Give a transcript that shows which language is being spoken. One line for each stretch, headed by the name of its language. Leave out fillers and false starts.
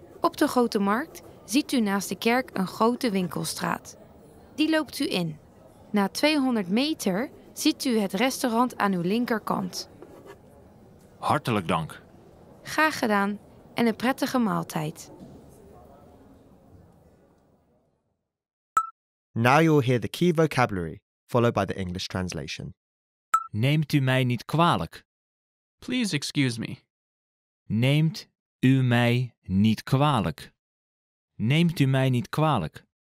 Dutch: Op de Grote Markt ziet u naast de kerk een grote winkelstraat. Die loopt u in. Na 200 meter ziet u het restaurant aan uw linkerkant. Hartelijk dank. Graag gedaan en een prettige maaltijd.
English: Now you'll hear the key vocabulary, followed by the English translation.
Dutch: Neemt u mij niet kwalijk.
English: Please excuse me.
Dutch: Neemt u mij niet kwalijk. Neemt u mij niet kwalijk.